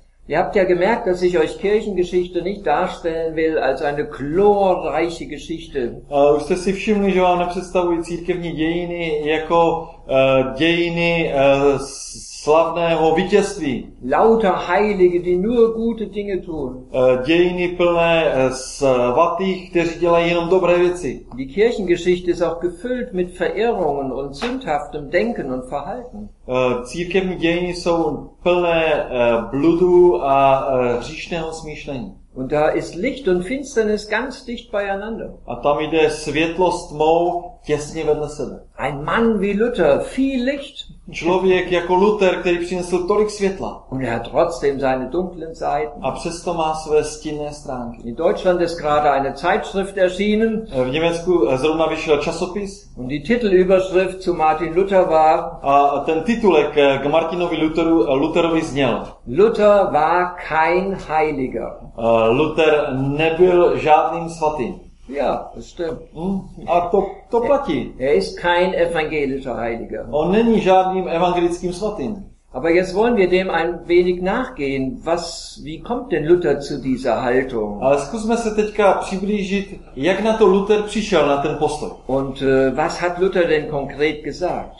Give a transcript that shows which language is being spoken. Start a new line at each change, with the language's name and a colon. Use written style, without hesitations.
German: Ihr habt ja gemerkt, dass ich euch Kirchengeschichte nicht darstellen will als eine glorreiche Geschichte.
Czech: Už jste si všimli, že vám nepředstavuji církevní dějiny jako dějiny slavného vítězství.
German: Lauter Heilige, die nur gute Dinge tun.
Czech: Dějiny plné svatých, kteří dělají jenom dobré věci.
German: Die Kirchengeschichte ist auch gefüllt mit Verirrungen und sündhaftem Denken und Verhalten.
Czech: Církevní dějiny jsou plné bludu a hříšného smýšlení.
German: Und da ist Licht und Finsternis ganz dicht beieinander.
Czech: A tam jde světlost tmou těsně vedle sebe.
German: Ein Mann wie Luther, viel Licht.
Czech: Člověk jako Luther, který přinesl tolik světla.
German: Und er hat trotzdem seine dunklen Seiten.
Czech: A přesto má své stinné stránky.
German: In Deutschland ist gerade eine Zeitschrift erschienen.
Czech: V Německu zrovna vyšel časopis.
German: Und die Titelüberschrift zu Martin Luther war.
Czech: A ten titulek k Martinovi Lutherovi zněl.
German: Luther war kein Heiliger.
Czech: Luther nebyl žádným svatým.
German: Ja, das stimmt.
Czech: A to platí.
German: Er ist kein evangelischer Heiliger.
Czech: On není žádným evangelickým svatým.
German: Aber jetzt wollen wir dem ein wenig nachgehen. Wie kommt denn Luther zu dieser Haltung?
Czech: Ale zkusme se teďka přiblížit, jak na to Luther přišel, na ten postoj.
German: Und was hat Luther denn konkret gesagt?